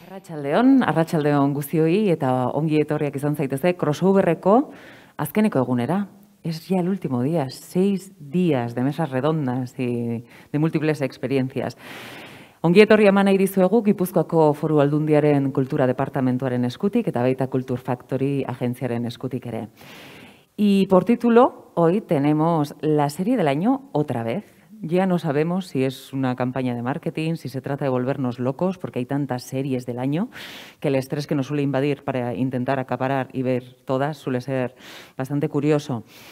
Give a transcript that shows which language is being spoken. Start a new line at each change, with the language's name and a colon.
Basque: arratsaldeon guztioi eta ongi etorriak izan zaitezte crossoverreko azkeneko egunera.
Spanish: Es ya el último día, 6 días de mesas redondas y de múltiples experiencias.
Basque: Ongi etorri eman nahi dizuegu Gipuzkoako Foru Aldundiaren Kultura Departamentuaren eskutik eta baita Kultur Factory agentziaren eskutik ere.
Spanish: Y por título, hoy tenemos la serie del año otra vez. Ya no sabemos si es una campaña de marketing, si se trata de volvernos locos, porque hay tantas series del año que el estrés que nos suele invadir para intentar acaparar y ver todas suele ser bastante curioso.